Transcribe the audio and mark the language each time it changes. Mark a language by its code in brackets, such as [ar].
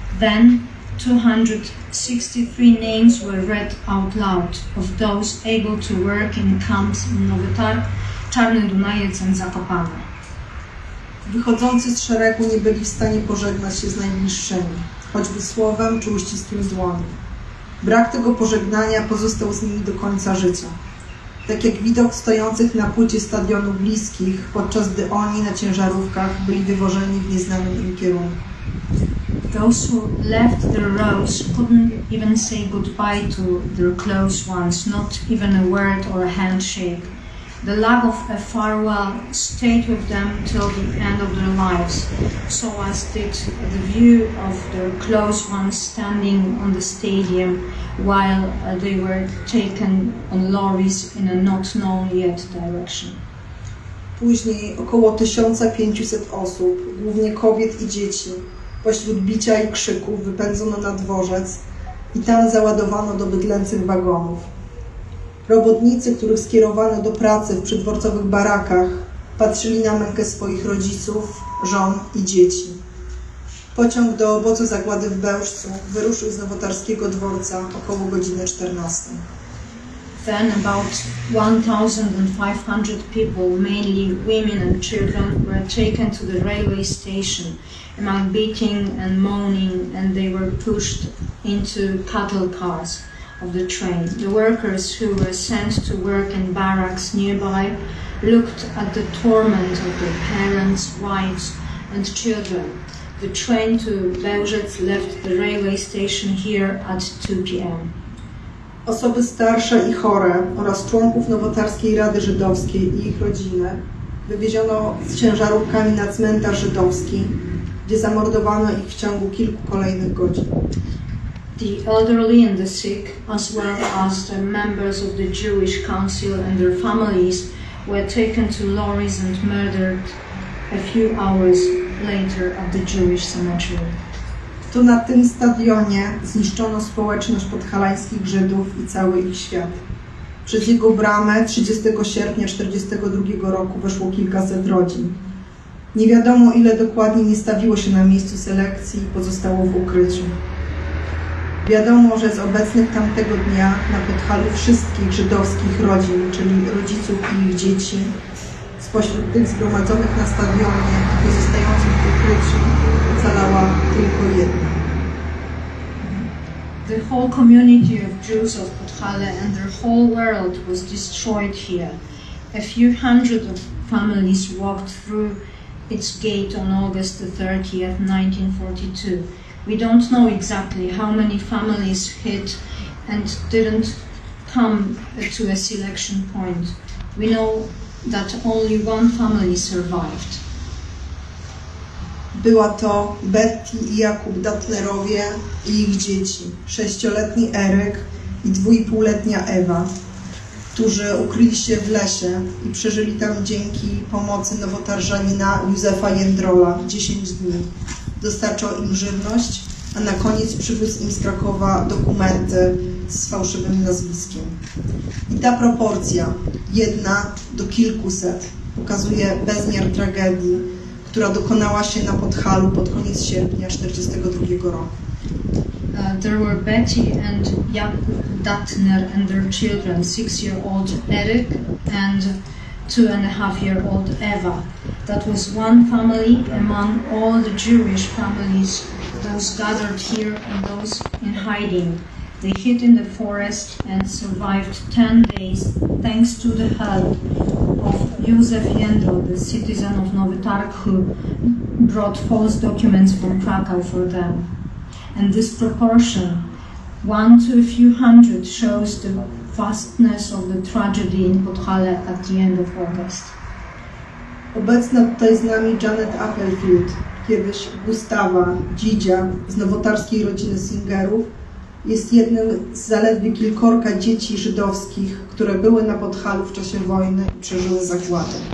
[en] Then 263 names were read out loud of those able to work in camps in Nowy Targ, Czarny Dunajec and Zakopane. [pl] Wychodzący z szeregu nie byli w stanie pożegnać się z najbliższymi, choćby słowem czy uścisknięciem dłoni. Brak tego pożegnania pozostał z nimi do końca życia. Tak jak widok stojących na płycie stadionu bliskich, podczas gdy oni na ciężarówkach byli wywożeni w nieznanym im kierunku. [en] Those who left their rows couldn't even say goodbye to their close ones, not even a word or a handshake. The lack of a farewell stayed with them till the end of their lives, so as did the view of their close ones standing on the stadium while they were taken on lorries in a not known yet direction. [pl] Później około 1500 osób, głównie kobiet i dzieci, pośród bicia i krzyków wypędzono na dworzec i tam załadowano do bydlęcych wagonów. Robotnicy, których skierowano do pracy w przydworcowych barakach, patrzyli na mękę swoich rodziców, żon i dzieci. Pociąg do obozu zagłady w Bełżcu wyruszył z nowotarskiego dworca około godziny 14. [en] Then about 1,500 people, mainly women and children, were taken to the railway station among beating and moaning, and they were pushed into cattle cars of the train. The workers who were sent to work in barracks nearby looked at the torment of their parents, wives and children. The train to Bełżec left the railway station here at 2 p.m. [pl] Osoby starsze i chore oraz członków Nowotarskiej Rady Żydowskiej i ich rodziny wywieziono z ciężarówkami na cmentarz żydowski, gdzie zamordowano ich w ciągu kilku kolejnych godzin. [en] The elderly and the sick, as well as the members of the Jewish Council and their families, were taken to lorries and murdered a few hours later at the Jewish cemetery. [pl] To na tym stadionie zniszczono społeczność podhalańskich Żydów i cały ich świat. Przez jego bramę 30 sierpnia 1942 roku weszło kilkaset rodzin. Nie wiadomo, ile dokładnie nie stawiło się na miejscu selekcji i pozostało w ukryciu. Wiadomo, że z obecnych tamtego dnia na Podhalu wszystkich żydowskich rodzin, czyli rodziców i ich dzieci, spośród tych zgromadzonych na stadionie i pozostających w ukryciu, ocalała tylko jedna. [en] The whole community of Jews of Podhale and their whole world was destroyed here. A few hundred of families walked through its gate on August 30th, 1942. We don't know exactly how many families hit and didn't come to a selection point. We know that only one family survived. [pl] Była to Betty i Jakub Datlerowie i ich dzieci, 6-letni Eryk i 2,5-letnia Ewa, którzy ukryli się w lesie i przeżyli tam dzięki pomocy nowotarżanina Józefa Jędrola 10 dni. Dostarczał im żywność, a na koniec przywiózł im z Krakowa dokumenty z fałszywym nazwiskiem. I ta proporcja, jedna do kilkuset, pokazuje bezmiar tragedii, która dokonała się na Podhalu pod koniec sierpnia 1942 roku. [en] There were Betty and Jakub Datner and their children, 6-year-old Eric and 2.5-year-old Eva. That was one family among all the Jewish families, those gathered here and those in hiding. They hid in the forest and survived 10 days thanks to the help of Józef Jędro, the citizen of Nowy Targ, who brought false documents from Krakow for them. And this proportion, one to a few hundred, shows the vastness of the tragedy in Podhale at the end of August. [pl] Obecna tutaj z nami Janet Appelfield, kiedyś Gustawa Dzidzia z nowotarskiej rodziny Singerów, jest jednym z zaledwie kilkorka dzieci żydowskich, które były na Podhalu w czasie wojny i przeżyły zagładę.